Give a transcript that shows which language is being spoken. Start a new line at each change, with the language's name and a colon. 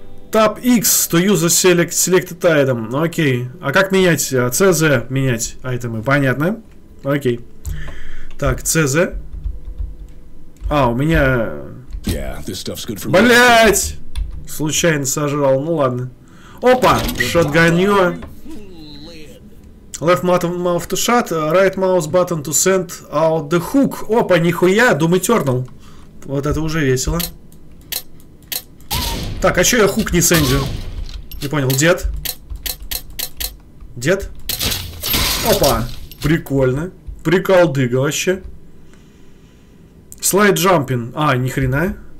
English: Tab X to use selected item.
Russian: Окей. А как менять? CZ менять айтемы. Понятно. Окей. Так, CZ. А, у меня... Блять! Случайно сожрал, ну ладно. Опа! Шотганьё.
English: Left mouth to shut, right mouse button to send out the hook.
Russian: Опа, нихуя, Doom Eternal. Вот это уже весело. Так, а чё я хук не сендю? Не понял, дед? Дед? Опа! Прикольно. Приколдыга вообще. Слайд джампин. А, ни хрена.